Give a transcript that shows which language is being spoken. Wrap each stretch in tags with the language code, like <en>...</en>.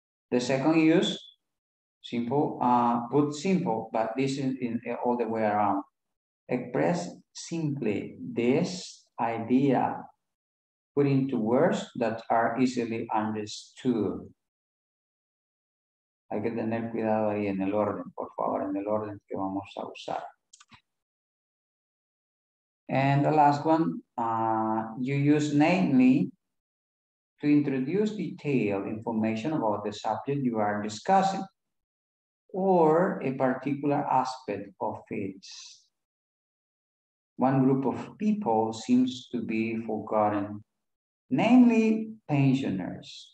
<en>The second use, simple, put simple, but this is in all the way around. Express simply this idea put into words that are easily understood.</en> <es>Hay que tener cuidado ahí en el orden, por favor, en el orden que vamos a usar.</es> <en>And the last one, you use namely to introduce detailed information about the subject you are discussing. or a particular aspect of it. One group of people seems to be forgotten, namely pensioners.</en>